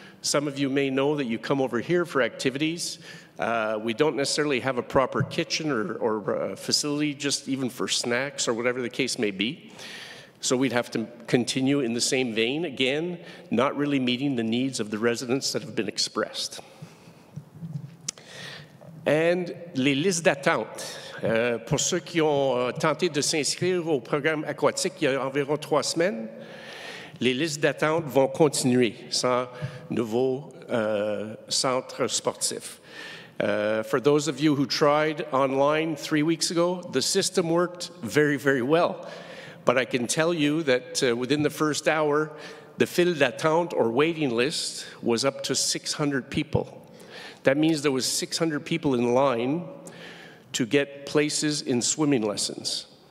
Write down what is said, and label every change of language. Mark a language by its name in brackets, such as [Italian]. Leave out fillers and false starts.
[English] Some of you may know that you come over here for activities. We don't necessarily have a proper kitchen or facility, just even for snacks or whatever the case may be. So we'd have to continue in the same vein, again, not really meeting the needs of the residents that have been expressed. And [French] les listes d'attente. Pour ceux qui ont tenté de s'inscrire au programme aquatique il y a environ 3 semaines, les listes d'attente vont continuer sans nouveau centre sportif. [English] For those of you who tried online 3 weeks ago, the system worked very, very well. But I can tell you that within the first hour, the [French] fil d'attente [English] or waiting list was up to 600 people. That means there was 600 people in line to get places in swimming lessons.